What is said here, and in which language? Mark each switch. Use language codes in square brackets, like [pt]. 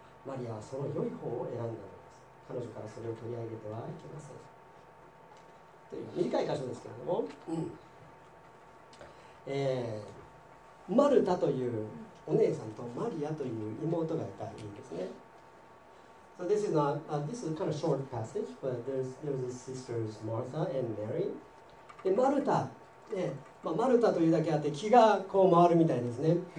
[ja] マリアはその良い方を選んだのです。彼女からそれを取り上げてはいけません。という短い箇所ですけれども、マルタというお姉さんとマリアという妹がいたんですね。 [en] So this is not, this is kind of short passage, but there's the sisters Martha and Mary. [ja] で、マルタ、まあ、マルタというだけあって気がこう回るみたいですね。